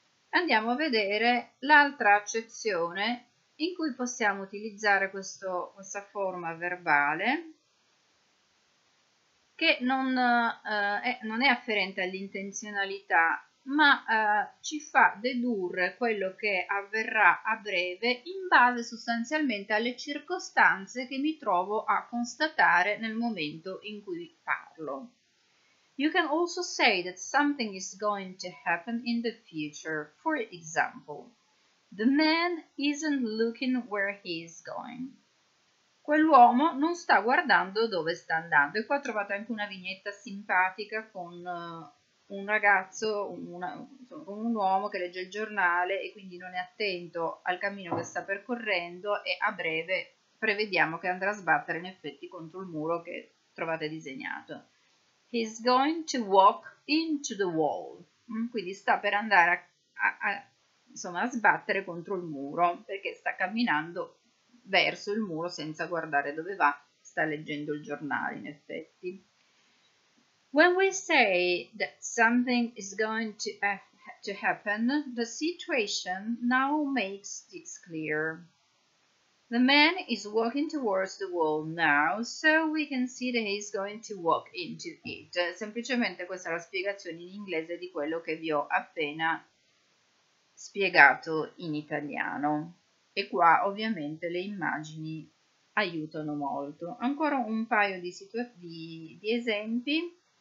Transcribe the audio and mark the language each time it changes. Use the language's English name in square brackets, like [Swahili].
[Italian] Andiamo a vedere l'altra accezione in cui possiamo utilizzare questa forma verbale, che non è afferente all'intenzionalità, ma ci fa dedurre quello che avverrà a breve in base sostanzialmente alle circostanze che mi trovo a constatare nel momento in cui parlo. [English] You can also say that something is going to happen in the future, for example. The man isn't looking where he is going. [Italian] Quell'uomo non sta guardando dove sta andando. E qua trovate anche una vignetta simpatica con un ragazzo, con un uomo che legge il giornale e quindi non è attento al cammino che sta percorrendo e a breve prevediamo che andrà a sbattere in effetti contro il muro che trovate disegnato. [English] He's going to walk into the wall. [Italian] Quindi sta per andare a sbattere contro il muro, perché sta camminando verso il muro senza guardare dove va, sta leggendo il giornale in effetti. [English] When we say that something is going to happen, the situation now makes this clear. The man is walking towards the wall now, so we can see that he is going to walk into it. [Italian] Semplicemente questa è la spiegazione in inglese di quello che vi ho appena spiegato in italiano, e qua ovviamente le immagini aiutano molto. Ancora un paio di esempi.